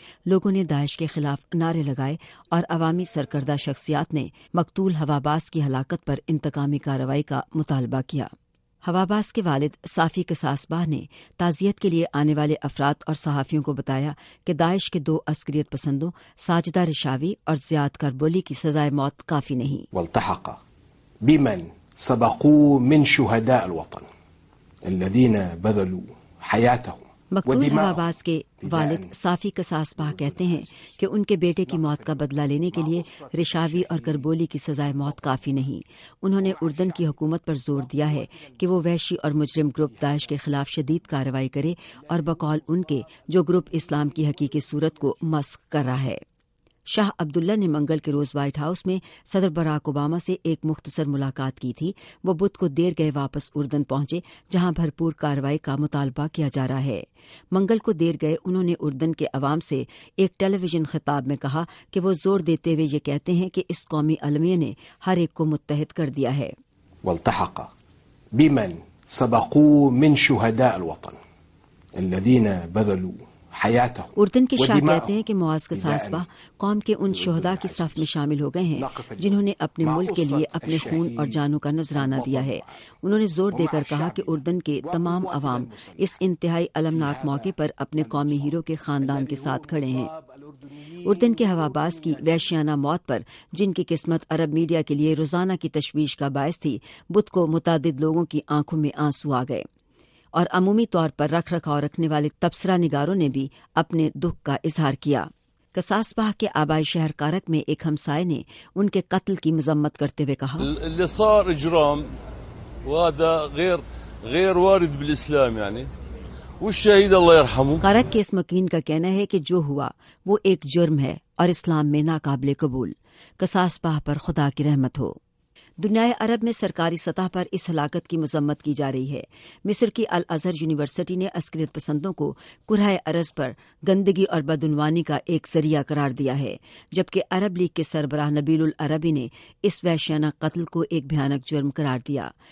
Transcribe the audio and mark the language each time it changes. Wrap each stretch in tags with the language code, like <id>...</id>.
<ur>لوگوں نے داعش کے خلاف نعرے لگائے اور عوامی سرکردہ شخصیات نے مقتول ہوا باز کی ہلاکت پر انتقامی کارروائی کا مطالبہ کیا. ہوا باز کے والد صافی قصاص باہ نے تعزیت کے لیے آنے والے افراد اور صحافیوں کو بتایا کہ داعش کے 2 عسکریت پسندوں ساجدہ رشاوی اور زیاد کربولی کی سزائے موت کافی نہیں.</ur> <ar>والتحق بمن سبقوا من شہداء الوطن الذين بذلوا حياتهم.</ar> <ur>مقتول ہوا باز کے والد صافی قصاص باہ کہتے ہیں کہ ان کے بیٹے کی موت کا بدلہ لینے کے لیے رشاوی اور کربولی کی سزائے موت کافی نہیں. انہوں نے اردن کی حکومت پر زور دیا ہے کہ وہ وحشی اور مجرم گروپ داعش کے خلاف شدید کارروائی کرے اور بقول ان کے جو گروپ اسلام کی حقیقی صورت کو مسخ کر رہا ہے. شاہ عبداللہ نے منگل کے روز وائٹ ہاؤس میں صدر براک اوباما سے ایک مختصر ملاقات کی تھی. وہ بدھ کو دیر گئے واپس اردن پہنچے جہاں بھرپور کارروائی کا مطالبہ کیا جا رہا ہے. منگل کو دیر گئے انہوں نے اردن کے عوام سے ایک ٹیلی ویژن خطاب میں کہا کہ وہ زور دیتے ہوئے یہ کہتے ہیں کہ اس قومی المیہ نے ہر ایک کو متحد کر دیا ہے.</ur> <ar>والتحق بمن سبقوا من شهداء الوطن الذين بذلوا حياتهم.</ar> <ur>اردن کے شاہ کہتے ہیں کہ معاذ کے ساسبہ قوم کے ان شہداء کی صف میں شامل ہو گئے ہیں جنہوں نے اپنے ملک کے لیے اپنے خون اور جانوں کا نذرانہ دیا ہے. انہوں نے زور دے کر کہا کہ اردن کے تمام عوام اس انتہائی المناک موقع پر اپنے قومی ہیرو کے خاندان کے ساتھ کھڑے ہیں. اردن کے ہواباز کی وحشیانہ موت پر جن کی قسمت عرب میڈیا کے لیے روزانہ کی تشویش کا باعث تھی بدھ کو متعدد لوگوں کی آنکھوں میں آنسو آ گئے اور عمومی طور پر رکھ رکھاؤ رکھنے والے تبصرہ نگاروں نے بھی اپنے دکھ کا اظہار کیا. قصاص باہ کے آبائی شہر کارک میں ایک ہمسائے نے ان کے قتل کی مذمت کرتے ہوئے کہا</ur> <ar>اللي صار اجرام وهذا غير غير وارد بالاسلام يعني والشهيد الله يرحمه.</ar> <ur>کارک کے اس مکین کا کہنا ہے کہ جو ہوا وہ ایک جرم ہے اور اسلام میں ناقابل قبول. قصاص باہ پر خدا کی رحمت ہو. دنیا عرب میں سرکاری سطح پر اس ہلاکت کی مذمت کی جا رہی ہے. مصر کی الازہر یونیورسٹی نے عسکریت پسندوں کو کرہ ارض پر گندگی اور بدعنوانی کا ایک ذریعہ قرار دیا ہے, جبکہ عرب لیگ کے سربراہ نبیل العربی نے اس وحشیانہ قتل کو ایک بھیانک جرم قرار دیا.</ur>